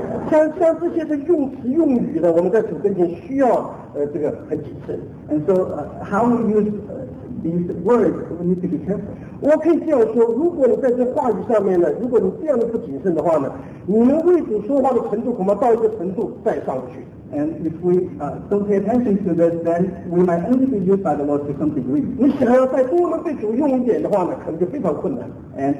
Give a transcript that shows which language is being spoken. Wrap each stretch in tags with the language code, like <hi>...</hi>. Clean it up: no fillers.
<zh>像这些的用词用语的，我们在主跟前需要这个很谨慎。</zh> <en>And so, how we use these words, we need to be careful.</en> <zh>我可以这样说，如果你在这话语上面呢，如果你这样的不谨慎的话呢，你们为主说话的程度恐怕到一个程度再上不去。</zh> <en>And if we don't pay attention to this, then we might only be used by the Lord to some degree.</en> <zh>你想要再多能被主用一点的话呢，可能就非常困难。</zh> <en>And</en>